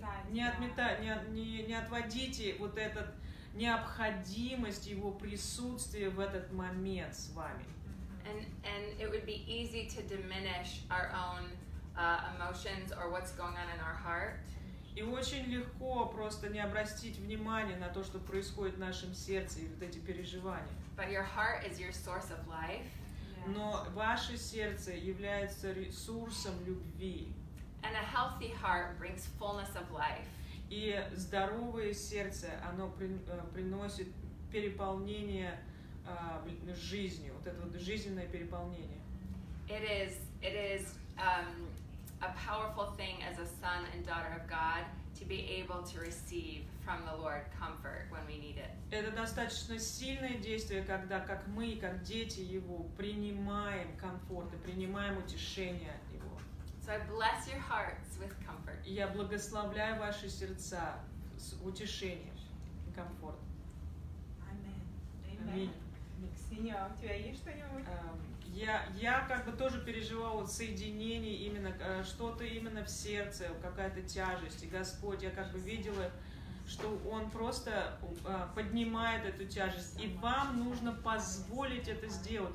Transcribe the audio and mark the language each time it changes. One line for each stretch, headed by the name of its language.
Russian: Не отводите вот этот необходимость его присутствия в этот момент с вами.
English: And it would be easy to diminish our own emotions or what's going on in our heart.
Russian: И очень легко просто не обратить внимание на то, что происходит в нашем сердце и вот эти переживания.
English: But your heart is your source of life.
Russian: Но ваше сердце является ресурсом любви.
English: And a healthy heart brings fullness of life.
Russian: И здоровое сердце, оно приносит переполнение жизнью, вот это вот жизненное переполнение.
English: It is a powerful thing as a son and daughter of God to be able to receive from the Lord comfort when we need it.
Russian: Это достаточно сильное действие, когда как мы, как дети Его, принимаем комфорт и принимаем утешение от Него.
English: So I bless your hearts with comfort.
Russian: Я благословляю ваши сердца с утешением и комфортом. Аминь. Ксения, у тебя есть что-нибудь? Я как бы тоже переживала соединение, именно что-то именно в сердце, какая-то тяжесть. И Господь, я как бы видела, что Он просто поднимает эту тяжесть. И вам нужно позволить это сделать.